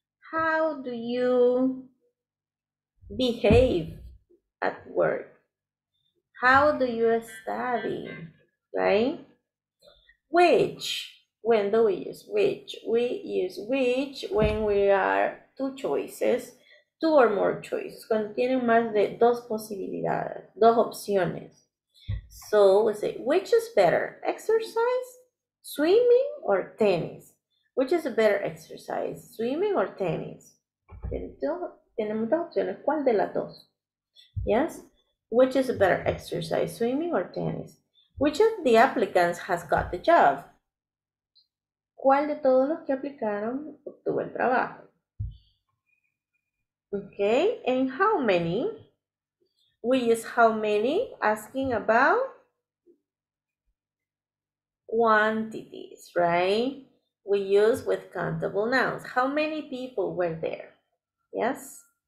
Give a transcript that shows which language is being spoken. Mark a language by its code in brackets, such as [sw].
[en] How do you behave at work? How do you study, right? Which, When do we use which? We use which when we are two choices, two or more choices. [es] Cuando tienen más de dos posibilidades, dos opciones. [en] So we say, which is better, exercise, swimming, or tennis? Which is a better exercise, swimming or tennis? [es] Tenemos dos opciones. ¿Cuál de las dos? [en] Yes? Which is a better exercise, swimming or tennis? Which of the applicants has got the job? [es] ¿Cuál de todos los que aplicaron obtuvo el trabajo? [en] Okay, and how many? We use how many asking about quantities, right? We use with countable nouns. How many people were there? Yes.